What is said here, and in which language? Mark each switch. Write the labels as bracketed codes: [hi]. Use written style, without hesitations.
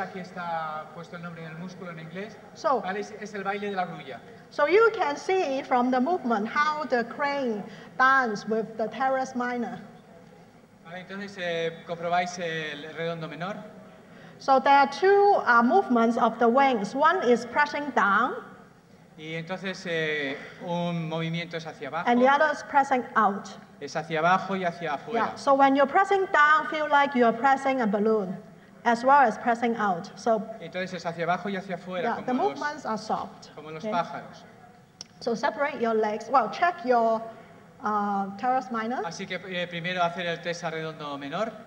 [es] Aquí está puesto el nombre del músculo en inglés. [en] So, [es] ¿vale? Es el baile de la grulla. [en] So you can see from the movement how the crane dance with the teres minor. [es] Vale, entonces comprobáis el redondo menor. [en] So there are two movements of the wings. One is pressing down. [es] Y entonces un movimiento es hacia abajo. [en] And the other is pressing out. [es] Es hacia abajo y hacia afuera. [en] Yeah. So when you're pressing down, feel like you're pressing a balloon, as well as pressing out. So. [es] Entonces es hacia abajo y hacia afuera. [en] Yeah, [es] como [en] the movements are soft. [es] Como los pájaros. [en] So separate your legs. Well, check your teres minor. [es] Así que primero hacer el test a redondo menor.